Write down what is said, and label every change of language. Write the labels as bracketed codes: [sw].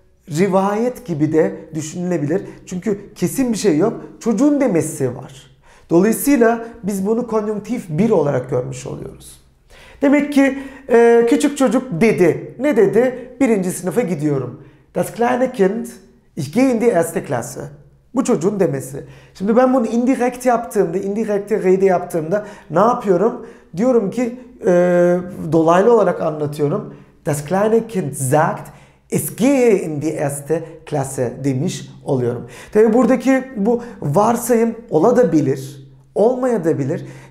[tr] Rivayet gibi de düşünülebilir. Çünkü kesin bir şey yok. Çocuğun demesi var. Dolayısıyla biz bunu konjunktif 1 olarak görmüş oluyoruz. Demek ki küçük çocuk dedi. Ne dedi? Birinci sınıfa gidiyorum. [de] Das kleine Kind, ich gehe in die erste Klasse. [tr] Bu çocuğun demesi. Şimdi ben bunu indirekt yaptığımda, indirekte rede yaptığımda ne yapıyorum? Diyorum ki, dolaylı olarak anlatıyorum. [de] Das kleine Kind sagt, ich gehe in die erste Klasse [tr] demiş oluyorum. Tabii buradaki bu varsayım ola da bilir, olmaya da bilir.